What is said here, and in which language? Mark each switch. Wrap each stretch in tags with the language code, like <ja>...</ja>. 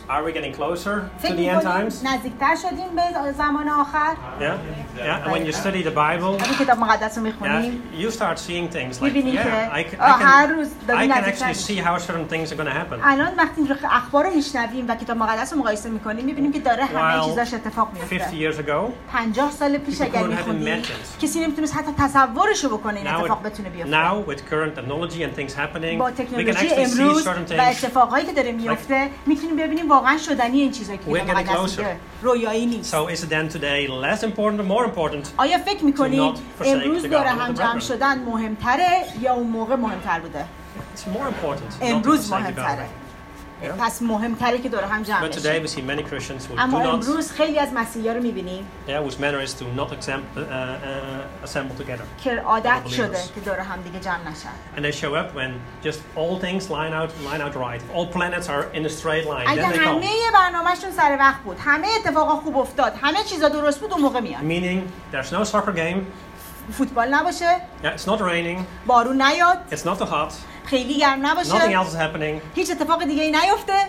<en>Are we getting closer to the end times?</en> <fa>نزدیکتر شدیم به زمان آخر.</fa> <en>Yeah. And when you study the Bible.</en> <fa>وقتی کتاب مقدس رو می‌خونیم.</fa> <en>You start seeing things like. I can actually see how certain things are going to happen.</en> <fa>الان وقتی اخبار رو می‌شنویم و کتاب مقدس رو مقایسه می‌کنیم، می‌بینیم که داره همه چیزاش اتفاق می‌افته.</fa> <en>50 years ago.</en> <fa>50 سال پیش اگر می‌خونیم. کسی نمی‌تونست حتی تصورش رو بکنه این اتفاق بتونه بیفته.</fa> <en>Now with current technology and things happening.</en> <fa>با تکنولوژی امروز و اتفاقایی که داره می‌افته، می‌تونیم ببینیم واقعاً شدنی این چیزا که کتاب مقدس رویایی نیست.</fa> <en>So is then today less important or more important?</en> <fa>آیا فکر می‌کنید امروز دور هم جمع شدن مهم‌تره یا اون موقع مهم‌تر بوده؟</fa> <en>It's more important.</en> <fa>امروز مهم‌تره. پس مهم‌تره که دور هم جمع بشیم.</fa> <en>But today we see many Christians who</en> <fa>اما امروز خیلی از مسیحی‌ها رو می‌بینیم.</fa> <en>Yeah, whose manner is to not assemble together.</en> <fa>که عادت شده که دور هم دیگه جمع نشن.</fa> <en>And they show up when just all things line out right. All planets are in a straight line.</en> <fa>اگر همه برنامه‌شون سر وقت بود، همه اتفاقا خوب افتاد، همه چیزا درست بود، اون موقع میاد.</fa> <en>Meaning there's no soccer game.</en> <fa>فوتبال نباشه.</fa> <en>Yeah, it's not raining.</en> <fa>بارون نیاد.</fa> <en>It's not too hot.</en> <fa>خیلی گرم نباشه.</fa> <en>Nothing else is happening.</en> <fa>هیچ اتفاق دیگه ای نیفته.</fa>